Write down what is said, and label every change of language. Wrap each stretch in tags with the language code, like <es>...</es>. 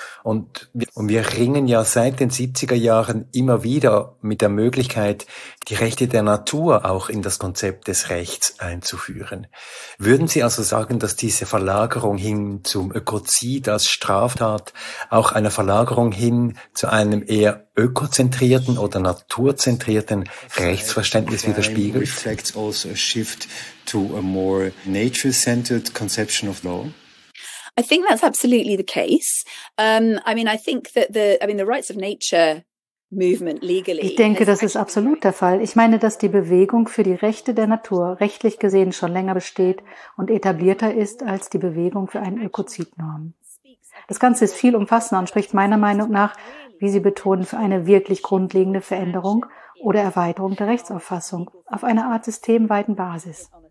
<de>Und wir ringen ja seit den 70er Jahren immer wieder mit der Möglichkeit, die Rechte der Natur auch in das Konzept des Rechts einzuführen. Würden Sie also sagen, dass diese Verlagerung hin zum Ökozid als Straftat auch eine Verlagerung hin zu einem eher ökozentrierten oder naturzentrierten Rechtsverständnis widerspiegelt?</de> <en>Reflects also a shift to a more nature-centered conception of law. I think that's absolutely the case. I think the rights of nature movement legally.</en> <de>Ich denke, das ist absolut der Fall. Ich meine, dass die Bewegung für die Rechte der Natur rechtlich gesehen schon länger besteht und etablierter ist als die Bewegung für einen Ökozidnorm. Das Ganze ist viel umfassender und spricht meiner Meinung nach, wie Sie betonen, für eine wirklich grundlegende Veränderung oder Erweiterung der Rechtsauffassung auf einer Art systemweiten Basis.</de>